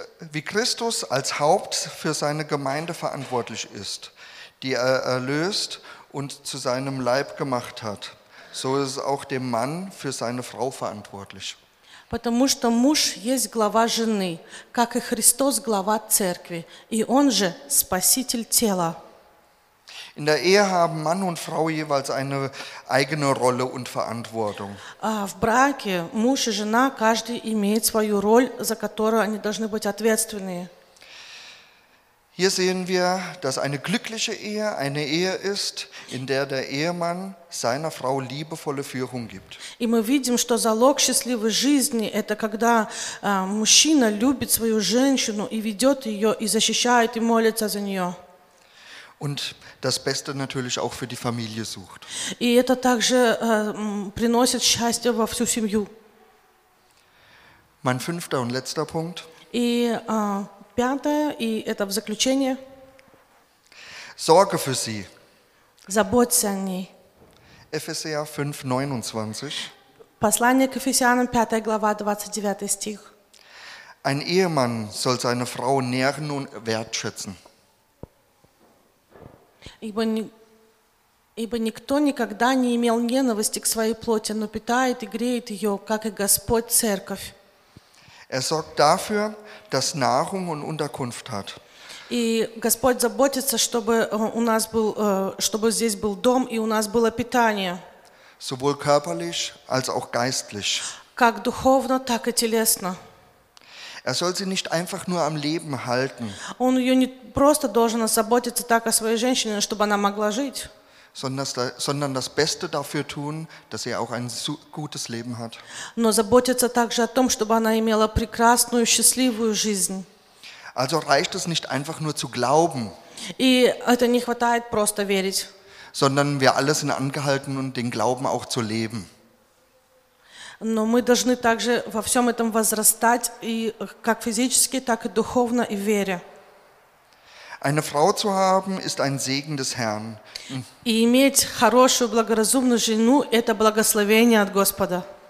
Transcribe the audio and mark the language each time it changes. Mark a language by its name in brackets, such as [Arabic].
[German] Wie Christus als Haupt für seine Gemeinde verantwortlich ist, die er erlöst und zu seinem Leib gemacht hat, so ist auch dem Mann für seine Frau verantwortlich. [Russian] Потому что муж есть глава жены, как и Христос глава церкви, и он же спаситель тела. [German] In der Ehe haben Mann und Frau jeweils eine eigene Rolle und Verantwortung. [Russian] В браке муж и жена каждый имеет свою роль, за которую они должны быть ответственны. [German] Hier sehen wir, dass eine glückliche Ehe eine Ehe ist, in der der Ehemann seiner Frau liebevolle Führung gibt. [Russian] И мы видим, что залог счастливой жизни это когда мужчина любит свою женщину и ведёт её и защищает и молится за неё. [German] Und das Beste natürlich auch für die Familie sucht. [Russian] И это также приносит счастье во всю семью. [German] Mein fünfter und letzter Punkt. [Russian] И пятое, и это в заключение. [German] Sorge für sie. [Russian] Заботься о ней. [German] Epheser 5:29. [Russian] Послание к Ефесянам, 5 глава, 29 стих. [German] Ein Ehemann soll seine Frau nähren und wertschätzen. [Russian] Ибо никто никогда не имел ненависти к своей плоти, но питает и греет ее, как и Господь церковь. [German] Er sorgt dafür, dass Nahrung und Unterkunft hat. [Russian] И Господь заботится, чтобы у нас был, чтобы здесь был дом и у нас было питание. [German] Sowohl körperlich als auch geistlich. [Russian] Как духовно, так и телесно. [German] Er soll sie nicht einfach nur am Leben halten. [Russian] Он ее не просто должен заботиться так о своей женщине, чтобы она могла жить. [German] Sondern das Beste dafür tun, dass sie auch ein gutes Leben hat. [Russian] Но заботиться также о том, чтобы она имела прекрасную, счастливую жизнь. [German] Also reicht es nicht einfach nur zu glauben. [Russian] И это не хватает просто верить. [German] Sondern wir alle sind angehalten, und den Glauben auch zu leben. [Russian] Но мы должны также во всем этом возрастать и как физически, так и духовно и в вере. [German] Eine Frau zu haben ist ein Segen des Herrn. [Russian] И иметь хорошую благоразумную жену – это благословение от Господа.